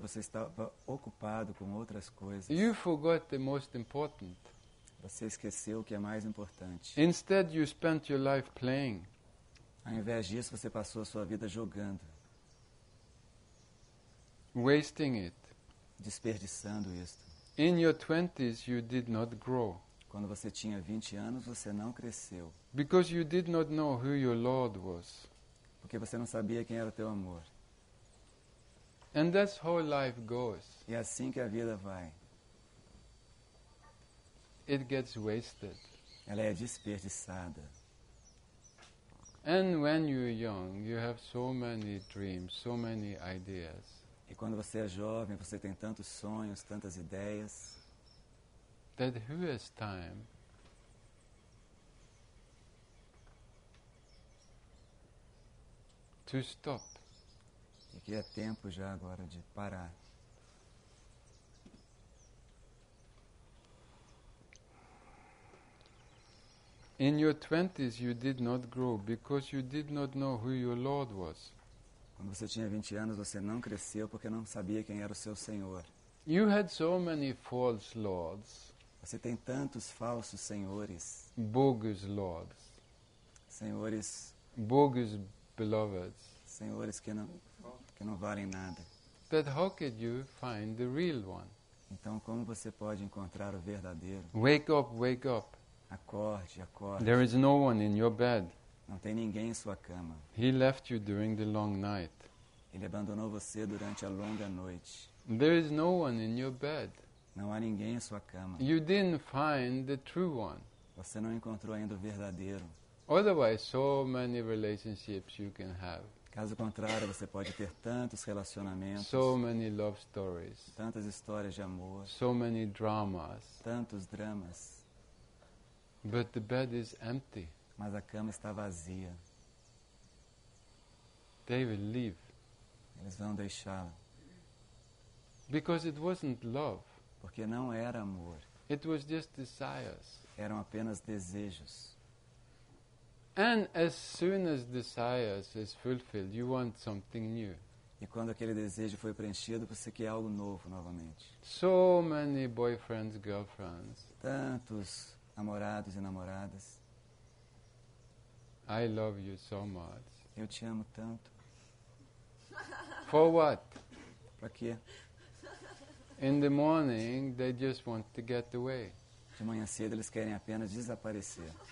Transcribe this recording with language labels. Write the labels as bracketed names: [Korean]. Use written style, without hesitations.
[Portuguese] Você estava ocupado com outras coisas. [English] You forgot the most important. [Portuguese] Você esqueceu o que é mais importante. [English] Instead, you spent your life playing. [Portuguese] Ao invés disso, você passou a sua vida jogando. [English] Wasting it. [Portuguese] Desperdiçando isto. [English] In your 20s, you did not grow. [Portuguese] Quando você tinha 20 anos, você não cresceu. [English] Because you did not know who your Lord was. [Portuguese] Porque você não sabia quem era o teu amor. [English] And that's how life goes. [Portuguese] E é assim que a vida vai. [English] It gets wasted. [Portuguese] Ela é desperdiçada. [English] And when you're young, you have so many dreams, so many ideas. [Portuguese] E quando você é jovem, você tem tantos sonhos, tantas ideias. [English] That who has time to stop. [Portuguese] E que é tempo já agora de parar. [English] In your 20s you did not grow because you did not know who your Lord was. [Portuguese] Quando você tinha 20 anos, você não cresceu porque não sabia quem era o seu Senhor. [English] You had so many false lords. [Portuguese] Você tem tantos falsos senhores. [English] Bogus lords. [Portuguese] Senhores. [English] Bogus beloveds. [Portuguese] Senhores que não valem nada. [English] But how could you find the real one? [Portuguese] Então como você pode encontrar o verdadeiro? [English] Wake up, wake up. [Portuguese] Acorde, acorde. [English] There is no one in your bed. [Portuguese] Não tem ninguém em sua cama. [English] He left you during the long night. [Portuguese] Ele abandonou você durante a longa noite. [English] There is no one in your bed. [Portuguese] Não há ninguém em sua cama. [English] You didn't find the true one. [Portuguese] Você não encontrou ainda o verdadeiro. [English] Otherwise, so many relationships you can have. [Portuguese] Caso contrário, você pode ter tantos relacionamentos. [English] So many love stories. [Portuguese] Tantas histórias de amor. [English] So many dramas. [Portuguese] Tantos dramas. [English] But the bed is empty. [Portuguese] Mas a cama está vazia. [English] They will leave. [Portuguese] Eles vão deixá-la. [English] Because it wasn't love. [Portuguese] Porque não era amor. [English] It was just desires. [Portuguese] Eram apenas desejos. [English] And as soon as desires is fulfilled, you want something new. [Portuguese] E quando aquele desejo foi preenchido, você quer algo novo novamente. [English] So many boyfriends, girlfriends. [Portuguese] Tantos namorados e namoradas. [English] I love you so much. [Portuguese] Eu te amo tanto. [English] For what? [Portuguese] Para quê? [English] In the morning, they just want to get away. [Portuguese] De manhã cedo, eles querem apenas desaparecer.